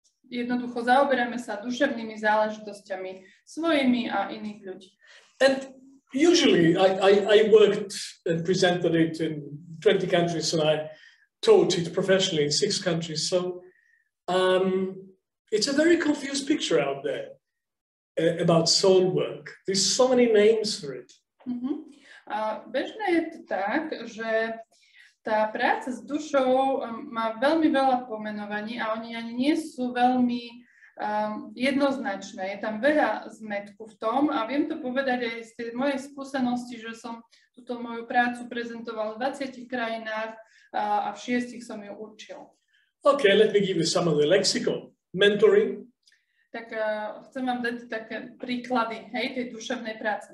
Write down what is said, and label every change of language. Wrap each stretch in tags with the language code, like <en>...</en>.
<sk>Jednoducho zaoberáme sa duševnými záležitosťami svojimi a iných ľudí.</sk> <en>And usually I worked and presented it in 20 countries and I taught it professionally in 6 countries. So it's a very confused picture out there about soul work. There's so many names for it. Mm-hmm.</en> <sk>A bežne je to tak, že tá práca s dušou má veľmi veľa pomenovaní a oni ani nie sú veľmi jednoznačné. Je tam veľa zmetku v tom a viem to povedať aj z tej mojej skúsenosti, že som túto moju prácu prezentoval v 20 krajinách a v 6 som ju učil.</sk> <en>OK, let me give you some of the lexicon. Mentoring.</en> <sk>Tak chcem vám dať také príklady, hej, tej duševnej práce.</sk>